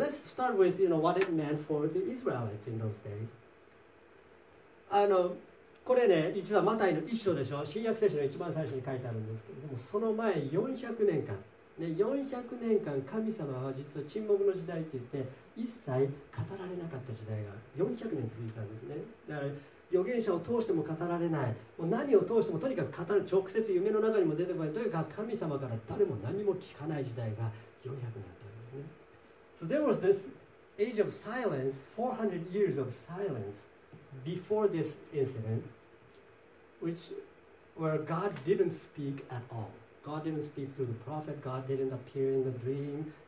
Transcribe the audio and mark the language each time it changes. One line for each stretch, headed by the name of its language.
English: Let's start with, you know, what it meant for the Israelites in those days.
Japanese: これね、実はマタイの一章でしょ。新約聖書の一番最初に書いてあるんですけれども、その前400年間、ね、400年間神様は実は沈黙の時代って言って、一切語られなかった時代が400年続いたんですね。だから預言者を通しても語られない。もう何を通してもとにかく語る、直接夢の中にも出てこない。とにかく神様から誰も何も聞かない時代が400年。
English: So there was this age of silence, 400 years of silence before this incident, where God didn't speak at all. God didn't speak through the prophet, God didn't appear in the dream.